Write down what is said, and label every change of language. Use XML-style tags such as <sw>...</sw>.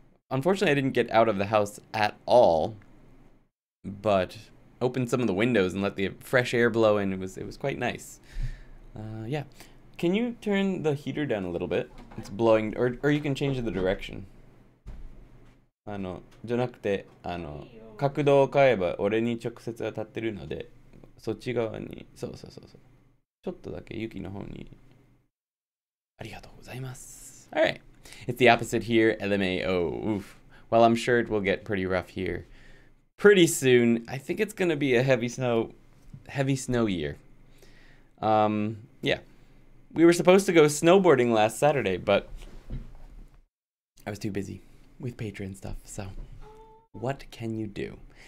<en>Unfortunately, I didn't get out of the house at all, but opened some of the windows and let the fresh air blow in. It was quite nice. Yeah. Can you turn the heater down a little bit? It's blowing, or you can change the direction.</en> <ja>じゃなくて、角度を変えば俺に直接当たってるので、そっち側に、そうそうそうそう。ちょっとだけ雪の方に。ありがとうございます。</ja> <en>All right. It's the opposite here, LMAO. Oof. Well, I'm sure it will get pretty rough here pretty soon. I think it's going to be a heavy snow, heavy snow year. Yeah. We were supposed to go snowboarding last Saturday, but I was too busy with Patreon stuff, so what can you do?</en>